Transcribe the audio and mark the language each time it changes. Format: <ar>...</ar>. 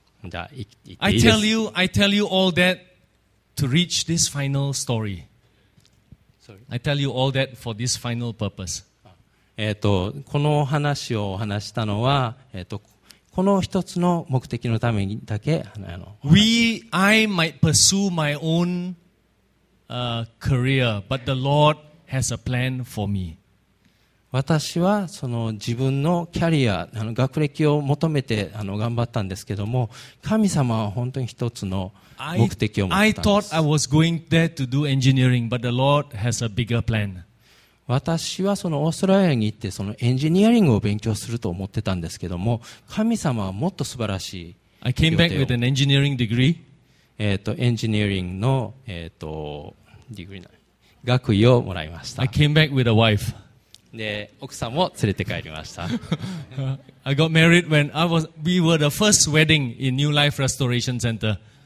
<ja>じゃあ、行っていいです。</ja> <en>I tell you all that to reach this final story. Sorry. I tell you all that for this final purpose.</en> <ja>この話をお話したのは、この一つの目的のためにだけ、</ja> <en>I might pursue my own. career, but the Lord has a plan for me.</en> <ja>私はその自分のキャリア、学歴を求めて頑張ったんですけども、神様は本当に一つの目的を持ったんです。</ja> <en>I thought I was going there to do engineering, but the Lord has a bigger plan.</en> <ja>私はそのオーストラリアに行ってそのエンジニアリングを勉強すると思ってたんですけども、神様はもっと素晴らしい予定を。</ja> <en>I came back with an engineering degree.</en> <ja>エンジニアリングの、学位をもらいました。</ja> <en>I came back with a wife.</en> <ja>で、奥さんも連れて帰りました。</ja> <en>I got married when we were the first wedding in New Life Restoration Center.</en>